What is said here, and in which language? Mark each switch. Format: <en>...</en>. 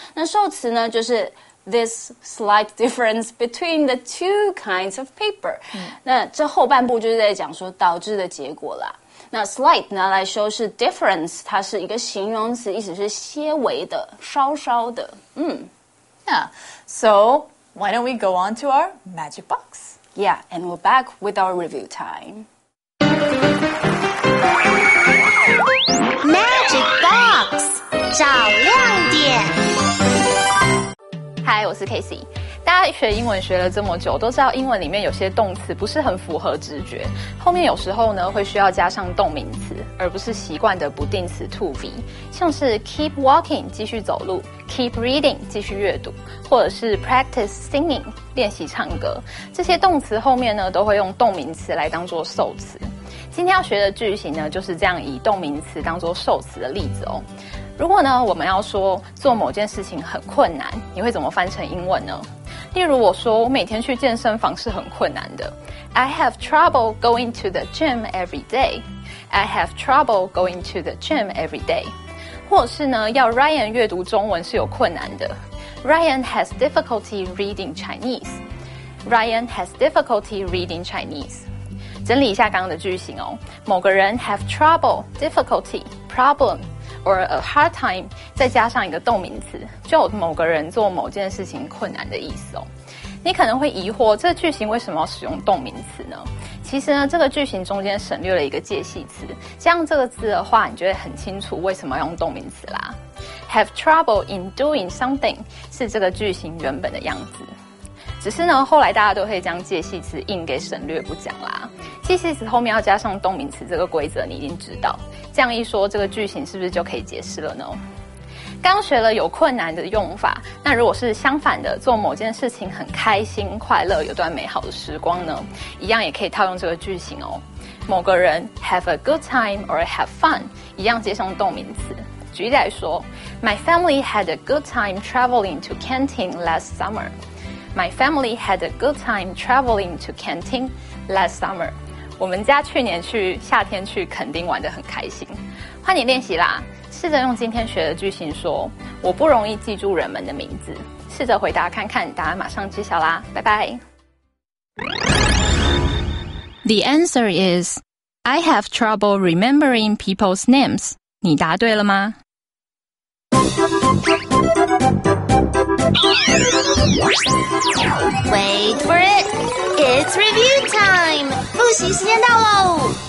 <zh>那受词呢，就是</zh> <en>this slight difference between the two kinds of paper。</en> <zh>那这后半部就是在讲说导致的结果啦。那 slight 拿来修是 difference， 它是一个形容词，意思是些微的，稍稍的。</zh> <en>Yeah. So why don't we go on to our magic box? Yeah, and we're back with our review time. Magic box，</en> <zh>找亮点。 Hi， 我是 Casey。大家学英文学了这么久，都知道英文里面有些动词不是很符合直觉，后面有时候呢会需要加上动名词，而不是习惯的不定词 to be， 像是</zh> <en>keep walking</en> <zh>继续走路，</zh> <en>keep reading</en> <zh>继续阅读，或者是</zh> <en>practice singing</en> <zh>练习唱歌，这些动词后面呢都会用动名词来当作受词。今天要学的句型呢就是这样，以动名词当作受词的例子哦。如果呢我们要说做某件事情很困难，你会怎么翻成英文呢？例如我说我每天去健身房是很困难的，</zh> <en>I have trouble going to the gym every day. I have trouble going to the gym every day.</en> <zh>或是呢要 Ryan 阅读中文是有困难的，</zh> <en>Ryan has difficulty reading Chinese. Ryan has difficulty reading Chinese.</en> <zh>整理一下刚刚的句型哦，某个人</zh> <en>have trouble, difficulty, problemOr a hard time，</en> <zh>再加上一个动名词，就有某个人做某件事情困难的意思哦。你可能会疑惑，这个句型为什么要使用动名词呢？其实呢，这个句型中间省略了一个介系词，这样这个字的话，你就会很清楚为什么要用动名词啦。</zh> <en>Have trouble in doing something</en> <zh>是这个句型原本的样子。只是呢，后来大家都会将介系词硬给省略不讲啦。介系词后面要加上动名词这个规则，你一定知道。这样一说，这个句型是不是就可以解释了呢？刚学了有困难的用法，那如果是相反的，做某件事情很开心、快乐，有段美好的时光呢，一样也可以套用这个句型哦。某个人</zh> <en>have a good time or have fun，</en> <zh>一样接上动名词。举例来说</zh> <en>，My family had a good time traveling to Canton last summer。 My family had a good time traveling to Canton last summer.</en> <zh>我们家去年去夏天去垦丁玩得很开心。换你练习啦，试着用今天学的句型说，我不容易记住人们的名字。试着回答看看，答案马上揭晓啦，拜拜。</zh> <en>The answer is, I have trouble remembering people's names.</en> <zh>你答对了吗？</zh> <en>Wait for it! It's review time!</en> <zh>复习时间到喽！</zh>